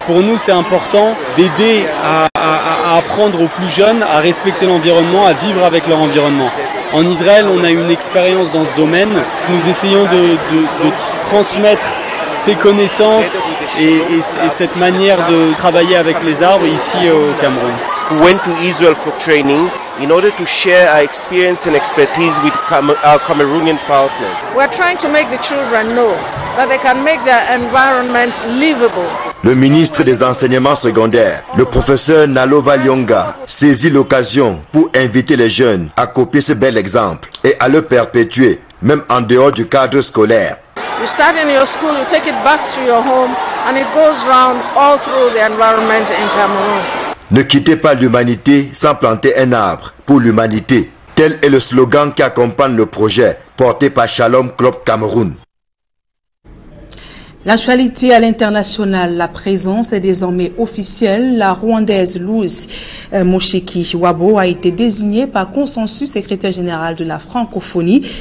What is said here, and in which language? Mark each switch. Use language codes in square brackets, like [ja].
[fr] Pour nous, c'est important d'aider à apprendre aux plus jeunes à respecter l'environnement, à vivre avec leur environnement. En Israël, on a une expérience dans ce domaine. Nous essayons de transmettre ces connaissances et cette manière de travailler avec les arbres ici au Cameroun. [en] We went to Israel for training in order to share our experience and expertise with our Cameroonian partners. We are trying to make the children know that they can make their environment livable. [fr] Le ministre des Enseignements secondaires, le professeur Nalo Valionga, saisit l'occasion pour inviter les jeunes à copier ce bel exemple et à le perpétuer, même en dehors du cadre scolaire. [en] You start in your school, you take it back to your home, and it goes round all through the environment in Cameroon. [fr] Ne quittez pas l'humanité sans planter un arbre pour l'humanité. Tel est le slogan qui accompagne le projet porté par Shalom Club Cameroun. L'actualité à l'international, la présence est désormais officielle. La Rwandaise Louise Moshiki Wabo a été désignée par consensus secrétaire général de la francophonie.